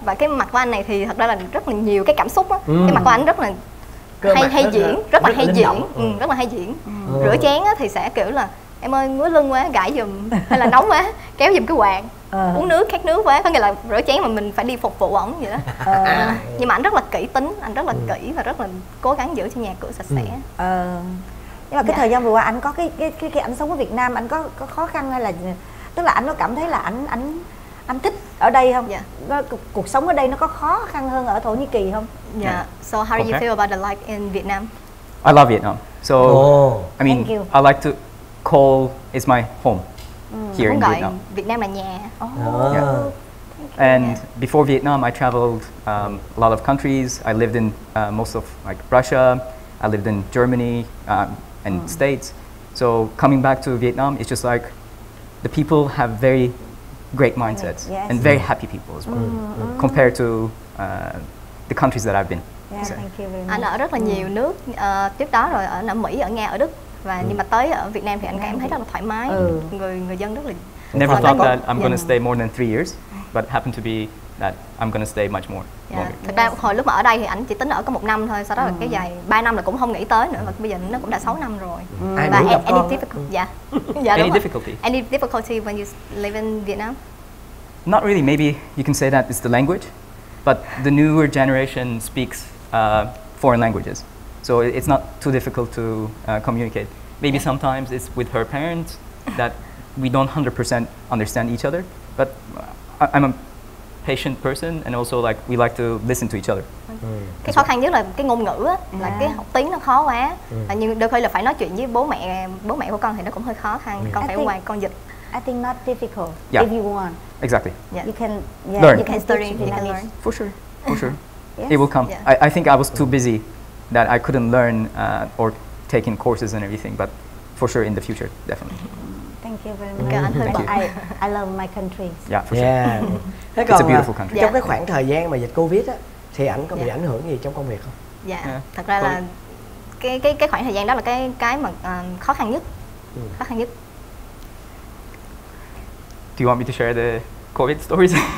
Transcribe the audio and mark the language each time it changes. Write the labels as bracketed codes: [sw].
[vi] Và cái mặt của anh này thì thật ra là rất là nhiều cái cảm xúc á. Cái mặt của anh rất là hay diễn rất là hay diễn rửa chén thì sẽ kiểu là em ơi ngứa lưng quá gãi giùm hay là nóng quá kéo giùm cái quạt uống nước khát nước quá có nghĩa là rửa chén mà mình phải đi phục vụ ổng vậy đó nhưng mà anh rất là kỹ tính anh rất là kỹ và rất là cố gắng giữ cho nhà cửa sạch sẽ nhưng mà cái thời gian vừa qua anh có cái anh sống ở Việt Nam anh có khó khăn hay là tức là anh có cảm thấy là anh thích ở đây không? Cuộc sống ở đây nó có khó khăn hơn ở Thổ Nhĩ Kỳ không? [en] Yeah. So how do you feel about the life in Vietnam? I love Vietnam. So I mean, I like to call it my home here in Vietnam. [vi] Việt Nam là nhà. [en] And before Vietnam, I traveled a lot of countries. I lived in most of like Russia. I lived in Germany and States. So coming back to Vietnam, it's just like the people have very great mindsets and very happy people as well compared to the countries that I've been. [vi] Anh ở rất là nhiều nước trước đó rồi ở Mỹ, ở Nga, ở Đức và nhưng mà tới ở Việt Nam thì anh cảm thấy rất là thoải mái. Người dân rất là [en] Never thought that I'm going to stay more than 3 years, but happened to be that I'm going to stay much more. [vi] Thật ra hồi lúc mà ở đây thì anh chỉ tính ở có 1 năm thôi, sau đó là cái dài 3 năm là cũng không nghĩ tới nữa và bây giờ nó cũng đã 6 năm rồi. Và [en] any difficulty? Any difficulty? Any difficulty when you live in Vietnam? Not really, maybe you can say that it's the language. But the newer generation speaks foreign languages. So it's not too difficult to communicate. Maybe sometimes it's with her parents that we don't 100% understand each other. But I'm a patient person and also like we like to listen to each other. [vi] Cái khó khăn nhất là cái ngôn ngữ á, là cái học tiếng nó khó quá. Nhưng đôi khi là phải nói chuyện với bố mẹ của con thì nó cũng hơi khó khăn. Con phải ngoài con dịch. [en] I think not difficult if you want. Exactly. You can learn. You can study. You can learn. For sure. For sure. It will come. I think I was too busy that I couldn't learn or take in courses and everything, but for sure in the future, definitely. Thank you very much. I love my country. Yeah, for sure. [vi] Thế còn [en] It's a beautiful country. [vi] Trong cái khoảng thời gian mà dịch Covid á, thì ảnh có bị ảnh hưởng gì trong công việc không? Thật ra là cái khoảng thời gian đó là cái mà khó khăn nhất. Khó khăn nhất. [en] Do you want me to share the COVID stories?